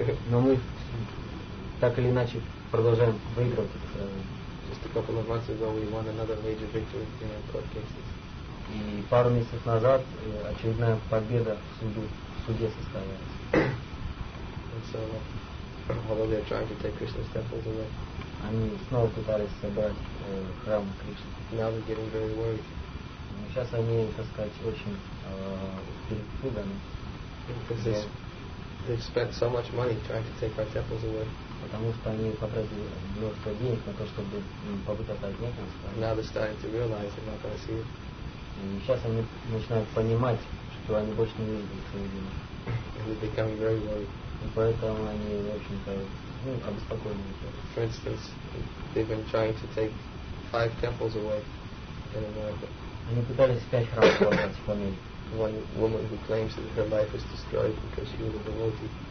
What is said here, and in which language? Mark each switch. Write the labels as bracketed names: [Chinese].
[Russian] Но мы так или иначе продолжаем выигрывать это сражение. [English] Just a couple of months ago we won another major victory in our court cases. [Russian] И пару месяцев назад очередная победа в суде состоялась. [English] And so, although they're trying to take Krishna's temples away. [Russian] Они снова пытались собрать храм Кришны. [English] Now they're getting very worried. [Russian] Сейчас они, так сказать, очень перепуганы. [English] Because they've spent so much money trying to take our temples away. [Russian] Потому что они потратили много денег на то, чтобы попытаться отнять нас. [English] Now they're starting to realize they're not going to see it. [Russian] Сейчас они начинают понимать, что они больше не увидят свои деньги. [English] And they're becoming very worried. [Russian] И поэтому они, в общем-то, ну, обеспокоены. [English] For instance, they've been trying to take five temples away in America. [Russian] Они пытались пять храмов забрать в Америке. [English] One woman who claims that her life is destroyed because she was a devotee.